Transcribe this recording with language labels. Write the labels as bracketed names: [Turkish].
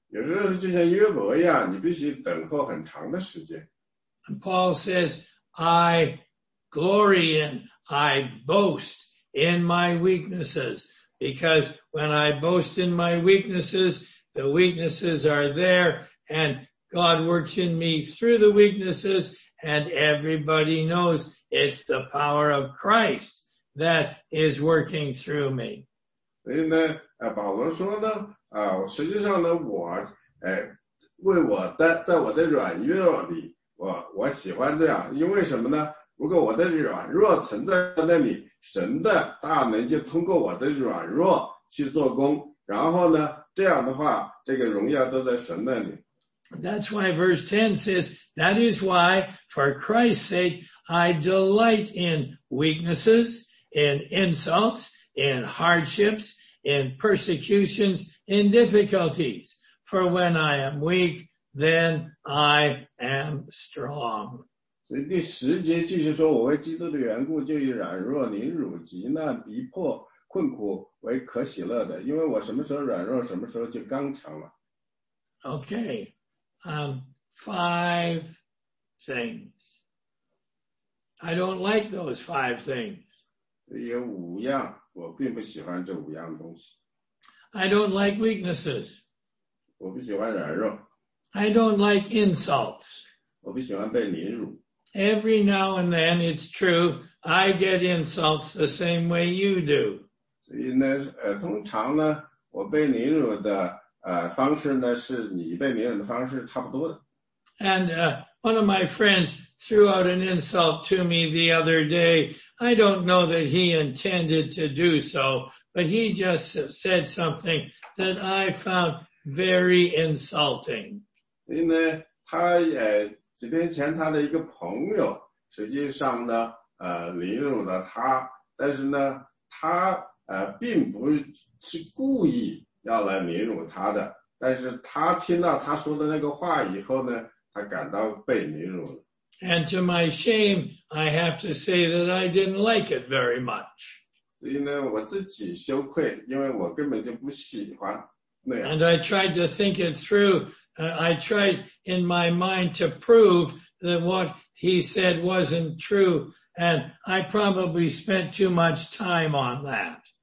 [Chinese] 有时候就像约伯一样，你必须等候很长的时间。 [English] And Paul says, I glory and I boast in my weaknesses, because when I boast in my weaknesses, the weaknesses are there, and God works in me through the weaknesses, and everybody knows it's the power of Christ that is working through me. [Chinese] 所以呢，保罗说呢，实际上呢，我，为我的，在我的软弱里，我喜欢这样，因为什么呢？如果我的软弱存在那里，神的大能就通过我的软弱去做工，然后呢，这样的话，这个荣耀都在神那里。 [English] That's why verse 10 says, that is why, for Christ's sake, I delight in weaknesses, in insults, in hardships, in persecutions, in difficulties. For when I am weak, then I am strong. [Chinese] 所以第十节继续说，我为基督的缘故，就以软弱、凌辱、急难、逼迫、困苦为可喜乐的，因为我什么时候软弱，什么时候就刚强了。 [English] Okay, five things. I don't like those five things. [Chinese] 有五样，我并不喜欢这五样东西。 [English] I don't like weaknesses. [Chinese] 我不喜欢软弱。 [English] I don't like insults. [Chinese] 我不喜欢被凌辱。 [English] Every now and then, it's true, I get insults the same way you do. [Chinese] 所以呢，通常呢，我被凌辱的方式呢，是你被凌辱的方式差不多的。 [English] And one of my friends threw out an insult to me the other day. I don't know that he intended to do so, but he just said something that I found very insulting. [Chinese] 所以呢，他几天前他的一个朋友实际上呢凌辱了他，但是呢他并不是故意要来凌辱他的，但是他听到他说的那个话以后呢，他感到被凌辱了。 [English] And to my shame, I have to say that I didn't like it very much. [Chinese] 所以呢我自己羞愧，因为我根本就不喜欢那样。 [English] And I tried to think it through. I tried in my mind to prove that what he said wasn't true, and I probably spent too much time on that.